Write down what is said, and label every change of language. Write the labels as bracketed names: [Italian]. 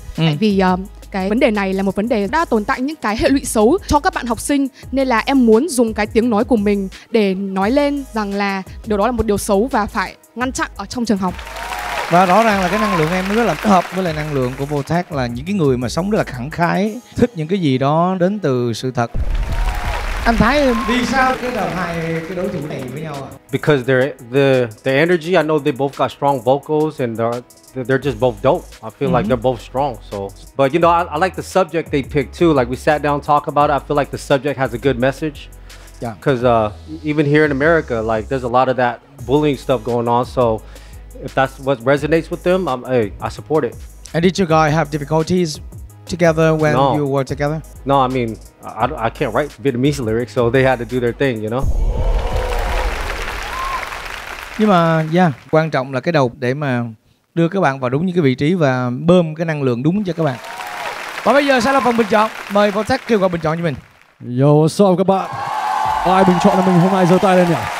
[Vietnamese] Tại vì cái vấn đề này là một vấn đề đã tồn tại những cái hệ lụy xấu cho các bạn học sinh, nên là em muốn dùng cái tiếng nói của mình để nói lên rằng là điều đó là một điều xấu và phải ngăn chặn ở trong trường học. Và rõ ràng là cái năng lượng em rất là hợp với lại năng lượng của Votap, là những cái người mà sống rất là khẳng khái, thích những cái gì đó đến từ sự thật. Anh Thái, vì sao kết hợp hai cái đối thủ này với nhau ạ? [English] Because the energy, I know they both got strong vocals and they're just both dope. I feel like they're both strong. So, but you know, I like the subject they picked too. Like we sat down talk about it. I feel like the subject has a good message. Yeah. Because even here in America, like there's a lot of that bullying stuff going on. So, if that's what resonates with them, I support it. And did you guys have difficulties together when you were together? No, I mean, I can't write Vietnamese lyrics, so they had to do their thing, you know? [Vietnamese] Nhưng mà, quan trọng là cái đầu để mà đưa các bạn vào đúng những cái vị trí và bơm cái năng lượng đúng cho các bạn. Và bây giờ sẽ là phần bình chọn. Mời Votap kêu gọi bình chọn cho mình. [English] Yo, what's up [Vietnamese] các bạn? Ai bình chọn là mình hôm nay giơ tay lên nhỉ?